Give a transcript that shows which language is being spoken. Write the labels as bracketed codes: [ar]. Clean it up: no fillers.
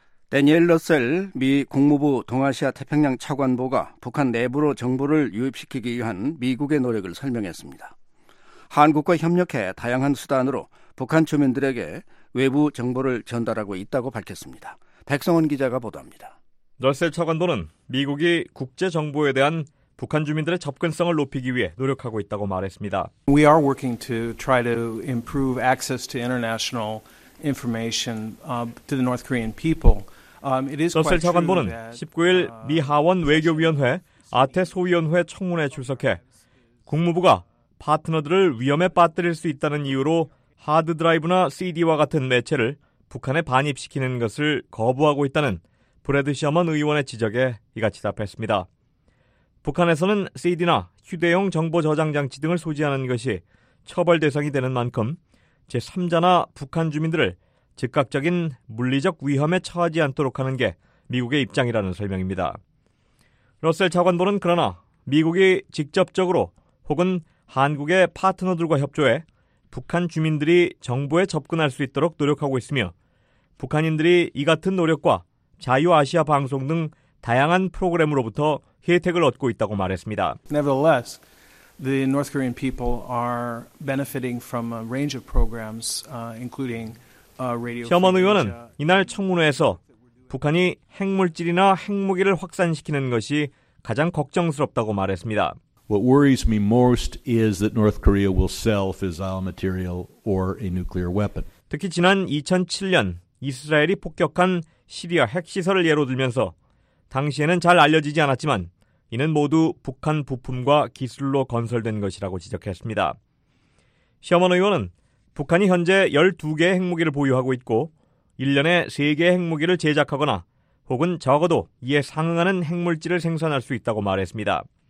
[ko] 대니엘 러셀 미 국무부 동아시아 태평양 차관보가 북한 내부로 정보를 유입시키기 위한 미국의 노력을 설명했습니다. 한국과 협력해 다양한 수단으로 북한 주민들에게 외부 정보를 전달하고 있다고 밝혔습니다. 백성원 기자가 보도합니다. 러셀 차관보는 미국이 국제정보에 대한 북한 주민들의 접근성을 높이기 위해 노력하고 있다고 말했습니다. [en] We are working to try to improve access to international information to the North Korean people. [ko] 러셀 차관보는 19일 미 하원 외교위원회 아태 소위원회 청문회에 출석해 국무부가 파트너들을 위험에 빠뜨릴 수 있다는 이유로 하드드라이브나 CD와 같은 매체를 북한에 반입시키는 것을 거부하고 있다는 브래드 셔먼 의원의 지적에 이같이 답했습니다. 북한에서는 CD나 휴대용 정보 저장 장치 등을 소지하는 것이 처벌 대상이 되는 만큼 제3자나 북한 주민들을 즉각적인 물리적 위험에 처하지 않도록 하는 게 미국의 입장이라는 설명입니다. 러셀 차관보는 그러나 미국이 직접적으로 혹은 한국의 파트너들과 협조해 북한 주민들이 정부에 접근할 수 있도록 노력하고 있으며 북한인들이 이 같은 노력과 자유아시아 방송 등 다양한 프로그램으로부터 혜택을 얻고 있다고 말했습니다. [en] Nevertheless, the North Korean people are benefiting from a range of programs, including radio. [ko] 셔먼 의원은 이날 청문회에서 북한이 핵물질이나 핵무기를 확산시키는 것이 가장 걱정스럽다고 말했습니다. [en] What worries me most is that North Korea will sell fissile material or a nuclear weapon. [ko] 특히 지난 2007년 이스라엘이 폭격한 시리아 핵시설을 예로 들면서 당시에는 잘 알려지지 않았지만 이는 모두 북한 부품과 기술로 건설된 것이라고 지적했습니다. 셔먼 의원은 북한이 현재 12개의 핵무기를 보유하고 있고 1년에 3개의 핵무기를 제작하거나 혹은 적어도 이에 상응하는 핵물질을 생산할 수 있다고 말했습니다.